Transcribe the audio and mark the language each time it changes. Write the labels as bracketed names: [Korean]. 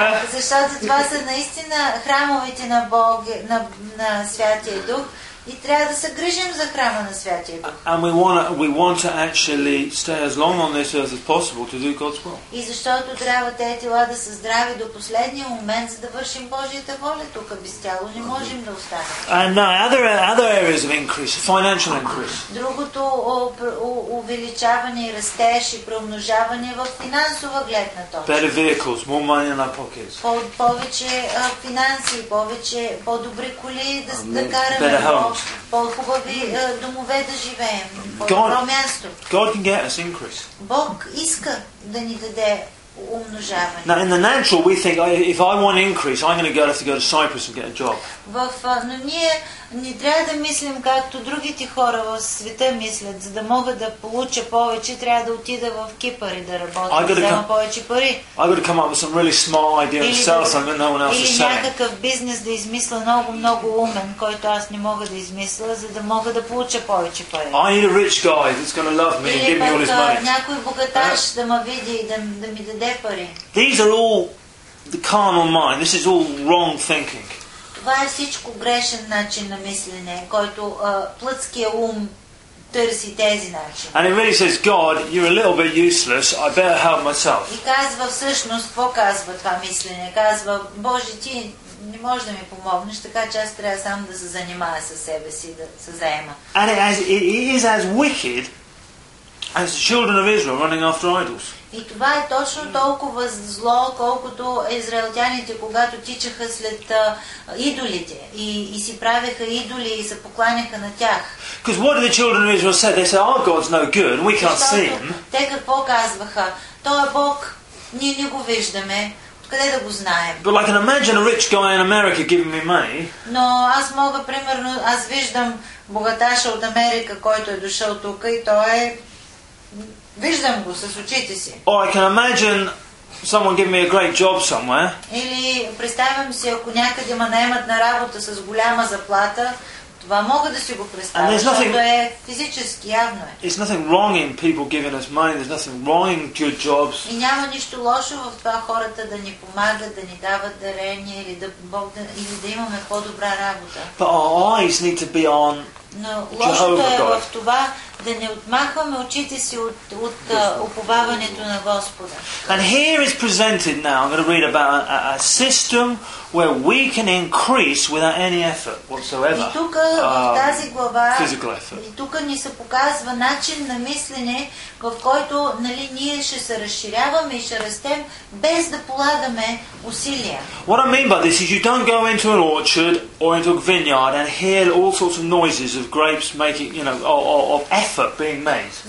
[Bulgarian] Защото това са наистина храмовете на Бог, на Святия Дух. И трябва да се грижим за храма на Святия Дух. [English] And we want to actually stay as long on this earth as possible to do God's will. [Bulgarian] И защото трябва тези тела да са здрави до последния момент, за да вършим Божията воля тук без тяло. Не можем да останем. [English] And now other areas of increase, financial increase. [Bulgarian] Другото увеличаване и растеж и преумножаване в финансова гледна точка. [English] Better vehicles, more money in our pockets. [Bulgarian] Повече финанси, повече по-добри коли да караме. По-хубави домове да живеем, по-добро място. [English] God can get us increase. [Bulgarian] Бог иска да ни даде умножаване. [English] Now in the natural we think, if I want increase, I'm going to have to go to Cyprus and get a job. [Bulgarian] Но ние не трябва да мислим както другите хора в света мислят, за да мога да получа повече, трябва да отида в Кипър и да работя, да взема повече пари. [English] I got to come up with some really smart idea and sell something that no one else is selling. [Bulgarian] Или някакъв бизнес да измисля много умен, който аз не мога да измисля, за да мога да получа повече пари. [English] I need a rich guy that's going to love me and give me all his money. [Bulgarian] Някой богаташ да ме види и да ми даде пари. [English] These are all the carnal mind. This is all wrong thinking. [Bulgarian] Това е всичко грешен начин на мислене, който плътския ум търси тези начини. [English] And it really says, God, you're a little bit useless, I better help myself. [Bulgarian] И казва всъщност, какво казва това мислене? Казва, Боже, ти не можеш да ми помогнеш, така че аз трябва сам да се занимая със себе си, да се заема. [English] And it is as wicked as the children of Israel running after idols. [Bulgarian] И това е точно толкова зло, колкото израелтяните, когато тичаха след идолите и си правеха идоли и се покланяха на тях. [English] Because what did the children of Israel say? They said, our God's no good, we can't see him. [Bulgarian] Те какво казваха? Той е Бог, ние не го виждаме. Къде да го знаем? [English] But I can imagine a rich guy in America giving me money. [Bulgarian] Но аз мога, примерно, аз виждам богаташа от Америка, който е дошъл тук и той е... Виждам го с очите си. [English] Oh, I can imagine someone give me a great job somewhere. [Bulgarian] Или представям си, ако някъде ме наемат на работа с голяма заплата, това мога да си го представя. Защото е физически явно е. [English] There's nothing wrong in people giving us money. There's nothing wrong in good jobs. [Bulgarian] И няма нищо лошо в това хората да ни помагат, да ни дават дарения или да Бог да или да имаме по-добра работа. [English] But our eyes need to be on. [Bulgarian] Но лошото е в това да не отмахваме очите си от уповаването на Господа. [English] And here is presented now, I'm going to read about a system where we can increase without any effort whatsoever. [Bulgarian] И тук в тази глава, [English] physical effort. [Bulgarian] И тук ни се показва начин на мислене, в който нали, ние ще се разширяваме и ще растем без да полагаме усилия. [English] What I mean by this is you don't go into an orchard or into a vineyard and hear all sorts of noises of grapes making, you know, of effort being made.